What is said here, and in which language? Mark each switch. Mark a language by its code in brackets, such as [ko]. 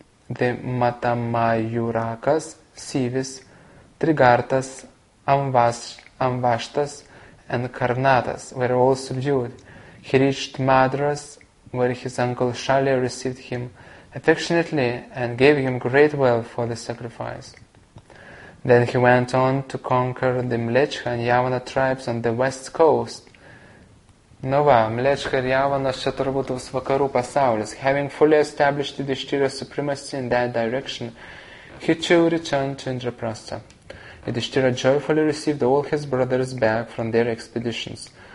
[en] de Matamayurakas, Sivis, Trigartas, Amvashtas, and Karnatas were all subdued. He reached Madras, where his uncle Shalya received him affectionately and gave him great wealth for the sacrifice. Then he went on to conquer the Mlechha and Yavana tribes on the west coast. [lt] Nu va, Mlechha ir Yavanas čia turbūt vis vakarų pasaulis. [en] Having fully established the Yudhishthira supremacy in that direction, he too returned to Indraprastha. Yudhishthira joyfully received all his brothers back from their expeditions.